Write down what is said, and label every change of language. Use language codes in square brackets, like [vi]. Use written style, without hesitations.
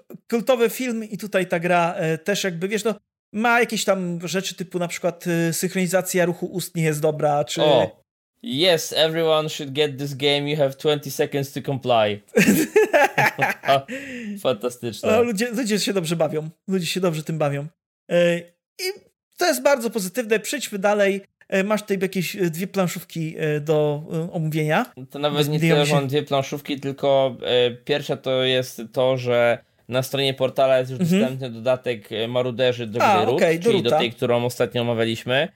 [pl] Kultowy film i tutaj ta gra też jakby, wiesz, no, ma jakieś tam rzeczy typu na przykład synchronizacja ruchu ust nie jest dobra, czy... [en] O, yes, everyone should get this game, you have 20 seconds to comply. [pl] Fantastyczne. No, ludzie się dobrze bawią, ludzie się dobrze tym bawią. I to jest bardzo pozytywne, przejdźmy dalej, masz tutaj jakieś dwie planszówki do omówienia. To nawet nie tyle, że mam dwie planszówki, tylko pierwsza to jest to, że na stronie portala jest już dostępny dodatek Maruderzy do Gry Root, okay, czyli do tej, którą ostatnio omawialiśmy.